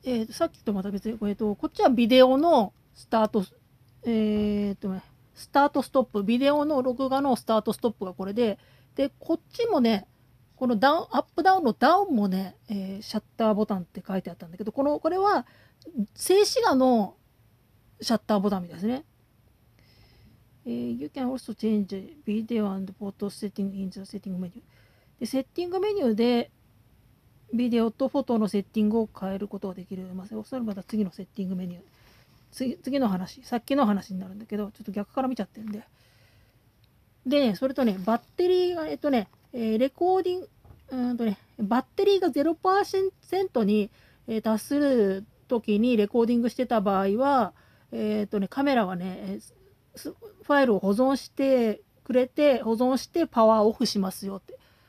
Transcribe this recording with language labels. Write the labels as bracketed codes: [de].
[ja] さっきとまた別に、こっちはビデオのスタート、スタートストップ、ビデオの録画のスタートストップがこれで、で、こっちもね、このダウン、アップダウンのダウンもね、シャッターボタンって書いてあったんだけど、これは静止画のシャッターボタンみたいですね。 [en] You can also change video and photo setting in the setting menu. [ja] で、セッティングメニューで、ビデオとフォトのセッティングを変えることができる。まあ、それまた次のセッティングメニュー。次の話、さっきの話になるんだけど、ちょっと逆から見ちゃってるんで。でね、それとね、バッテリーが、レコーディング、バッテリーが 0% に達するときにレコーディングしてた場合は、カメラはね、ファイルを保存してくれて、保存してパワーオフしますよって。